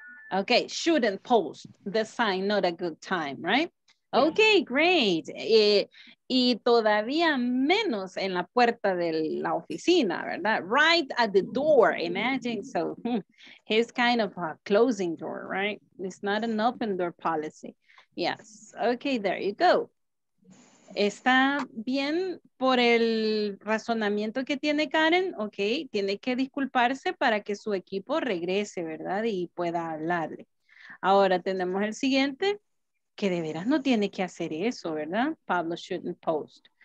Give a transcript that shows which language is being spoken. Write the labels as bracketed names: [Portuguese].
[English] Okay, shouldn't post the sign, not a good time, right? Okay, great. [Spanish] Y todavía menos en la puerta de la oficina, ¿verdad? [English] Right at the door, imagine. So, it's kind of a closing door, right? It's not an open door policy. Yes, okay, there you go. [Spanish] ¿Está bien por el razonamiento que tiene Karen? Okay, tiene que disculparse para que su equipo regrese, ¿verdad? Y pueda hablarle. Ahora tenemos el siguiente. Que de veras no tiene que hacer eso, ¿verdad? [English] Pablo shouldn't post.